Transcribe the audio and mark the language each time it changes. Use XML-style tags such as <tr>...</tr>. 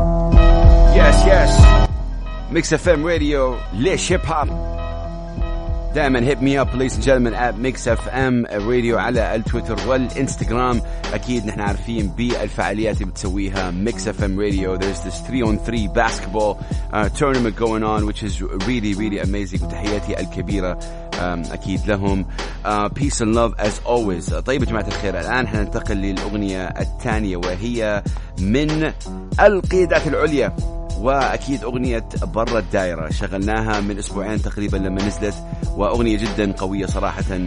<en>Yes Mix FM Radio.</en> <ar>ليش هيب هوب دائما.</ar> <en>hit me up ladies and gentlemen at Mix FM Radio</en> <ar>على التويتر والإنستغرام. أكيد نحن عارفين بالفعاليات اللي بتسويها Mix FM Radio.</ar> <en>There's this 3-on-3 basketball tournament going on which is really really amazing.</en> <ar>وتحياتي الكبيرة أكيد لهم.</ar> <en>Peace and love as always.</en> <ar>طيب جماعة الخير، الآن هننتقل للأغنية الثانية وهي من القيادات العليا، وأكيد أغنية برة الدائرة. شغلناها من أسبوعين تقريبا لما نزلت، وأغنية جدا قوية صراحة.</ar>